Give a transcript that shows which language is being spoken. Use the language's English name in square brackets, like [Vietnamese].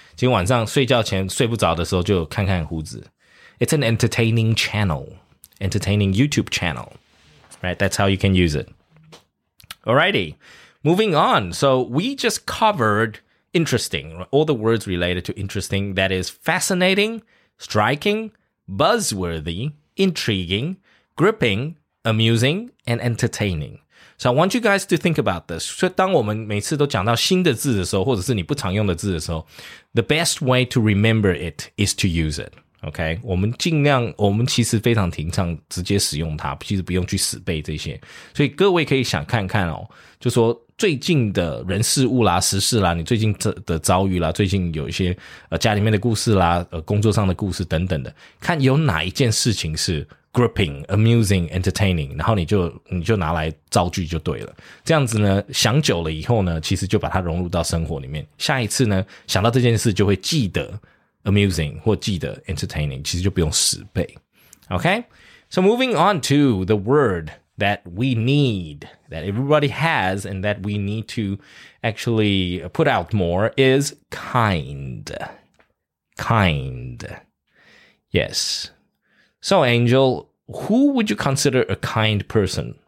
[Chinese] 今天晚上睡觉前睡不着的时候就看看胡子. [English] It's an entertaining channel. Entertaining YouTube channel. Right. That's how you can use it. Alrighty. Moving on. So we just covered interesting. All the words related to interesting, that is fascinating, striking, buzzworthy, intriguing, gripping, amusing, and entertaining. So I want you guys to think about this. [Chinese] 所以当我们每次都讲到新的字的时候，或者是你不常用的字的时候， [English] the best way to remember it is to use it. [Chinese] OK, 我们尽量，我们其实非常提倡直接使用它，其实不用去死背这些。所以各位可以想看看哦，就说最近的人事物啦，时事啦，你最近的遭遇啦，最近有一些家里面的故事啦，工作上的故事等等的，看有哪一件事情是gripping, amusing, entertaining, 然后你就拿来造句就对了。这样子呢，想久了以后呢，其实就把它融入到生活里面。下一次呢，想到这件事就会记得 amusing, 或记得 entertaining, 其实就不用死背。 [English] Okay? So moving on to the word that we need, that everybody has, and that we need to actually put out more is kind. Kind. Yes. So, Angel, who would you consider a kind person?